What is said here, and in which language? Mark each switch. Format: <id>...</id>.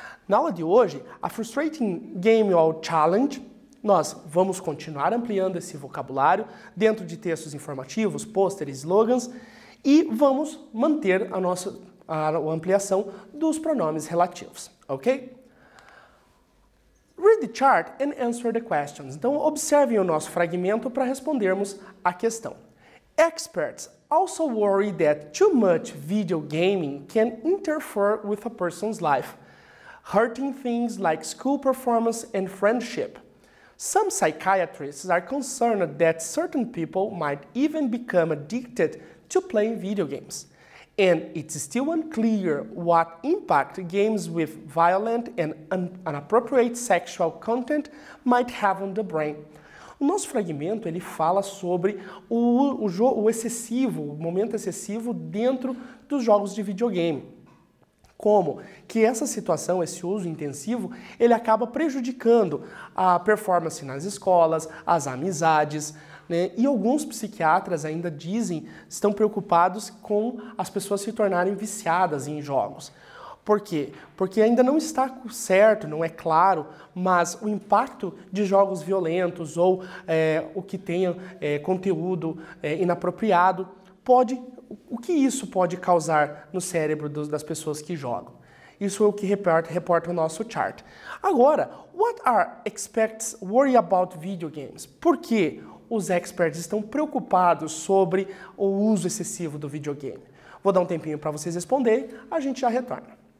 <pt>Na aula de hoje, a Frustrating Game or Challenge, nós vamos continuar ampliando esse vocabulário dentro de textos informativos, pôsteres, slogans e vamos manter a ampliação dos pronomes relativos, ok?</pt> <en>Read the chart and answer the questions.</en> <pt>Então, observem o nosso fragmento para respondermos a questão.</pt> <en>Experts also worry that too much video gaming can interfere with a person's life, hurting things like school performance and friendship. Some psychiatrists are concerned that certain people might even become addicted to playing video games. And it's still unclear what impact games with violent and inappropriate sexual content might have on the brain.</en> <pt>O nosso fragmento, ele fala sobre o momento excessivo dentro dos jogos de videogame. Como que essa situação, esse uso intensivo, ele acaba prejudicando a performance nas escolas, as amizades, né? E alguns psiquiatras ainda dizem, estão preocupados com as pessoas se tornarem viciadas em jogos. Por quê? Porque ainda não está certo, não é claro, mas o impacto de jogos violentos ou o que tenha conteúdo inapropriado pode O que isso pode causar no cérebro das pessoas que jogam? Isso é o que reporta o nosso chart.</pt> <en>Agora, what are experts worry about video games?</en> <pt>Por que os experts estão preocupados sobre o uso excessivo do videogame? Vou dar um tempinho para vocês responderem, a gente já retorna.</pt>